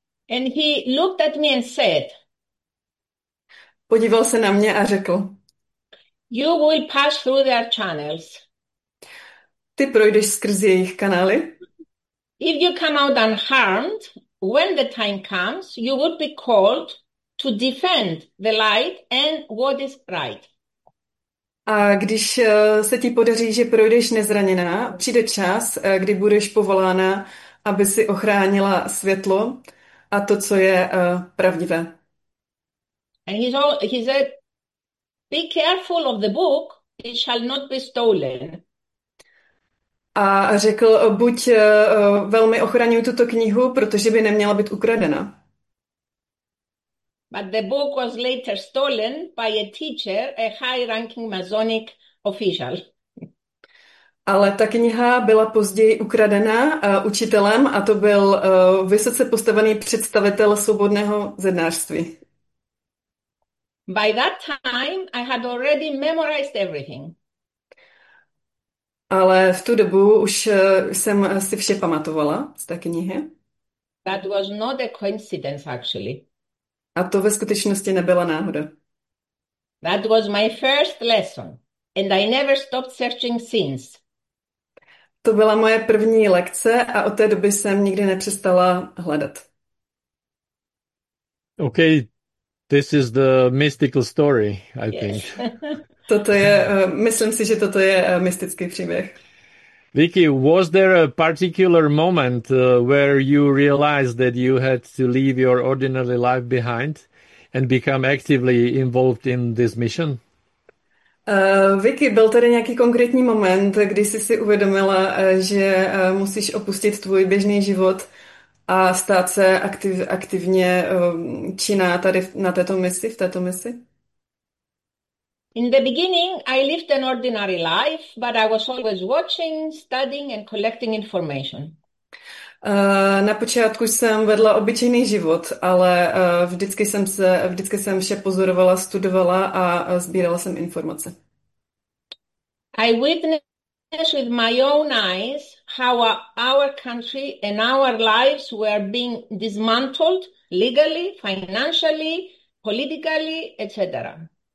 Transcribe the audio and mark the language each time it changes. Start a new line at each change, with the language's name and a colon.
English: And he looked at me and said,
Czech: Podíval se na mě a řekl:
English: "You will pass through their channels.
Czech: Ty projdeš skrz jejich kanály.
English: You come out unharmed, when the time comes, you will be called to defend the light and what is right."
Czech: A když se ti podaří, že projdeš nezraněná, přijde čas, kdy budeš povolána, aby si ochránila světlo a to, co je pravdivé.
English: And he said, "Be careful of the book, it shall not be stolen."
Czech: A řekl, buď velmi ochraňuj tuto knihu, protože by neměla být ukradena.
English: But the book was later stolen by a teacher, a high-ranking Masonic official.
Czech: Ale ta kniha byla později ukradena učitelem a to byl vysoce postavený představitel svobodného zednářství.
English: By that time, I had already memorized everything.
Czech: Ale v tu dobu už jsem si vše pamatovala z té knihy.
English: That was not a coincidence, actually.
Czech: A to ve skutečnosti nebyla náhoda.
English: That was my first lesson, and I never stopped searching since.
Czech: To byla moje první lekce a od té doby jsem nikdy nepřestala hledat.
English: Okay, this is the mystical story, I think.
Czech: Toto je, myslím si, že toto je mystický příběh.
English: Vicky, was there a particular moment where you realized that you had to leave your ordinary life behind and become actively involved in this mission?
Czech: Vicky, byl tady nějaký konkrétní moment, kdy jsi si uvědomila, že musíš opustit tvůj běžný život a stát se aktivně činná tady na této misi, v této misi?
English: In the beginning, I lived an ordinary life, but I was always watching, studying and collecting information.
Czech: Na počátku jsem vedla obyčejný život, ale vždycky jsem vše pozorovala, studovala a sbírala jsem informace.
English: I witnessed with my own eyes how our country and our lives were being dismantled legally, financially, politically, etc.